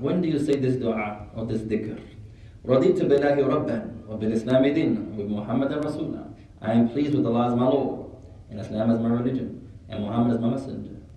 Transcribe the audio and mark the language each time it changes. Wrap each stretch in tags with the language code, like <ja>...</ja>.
<en>When do you say this دعاء or this ذكر?</en> <ar>رضيت بالله ربا وبالإسلام دينا وبمحمد رسولا.</ar> <en>I am pleased with Allah as my Lord, and Islam as my religion, and Muhammad as my messenger.</en>